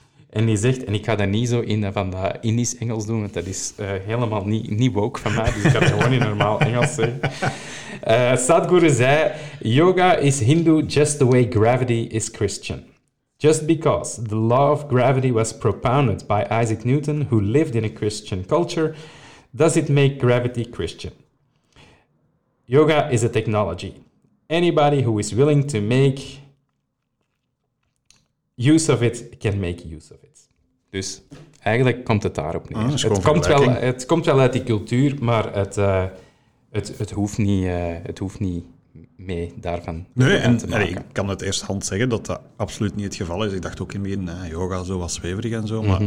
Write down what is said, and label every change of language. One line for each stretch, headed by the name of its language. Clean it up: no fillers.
Dutch: En die zegt, en ik ga dat niet zo in van dat Indisch Engels doen, want dat is helemaal niet woke van mij, dus ik ga het gewoon in normaal Engels zeggen.
English: Sadhguru
Dutch: zei,
English: yoga is Hindu just the way gravity is Christian. Just because the law of gravity was propounded by Isaac Newton, who lived in a Christian culture, does it make gravity Christian? Yoga is a technology. Anybody who is willing to make use of it, can make use of it.
Dutch: Dus eigenlijk komt het daarop neer. Het komt wel uit die cultuur, maar het hoeft niet mee daarvan te maken. Nee, ik kan het eerst hand zeggen dat dat absoluut niet het geval is. Ik dacht ook in mijn yoga zo was zweverig en zo, maar mm-hmm.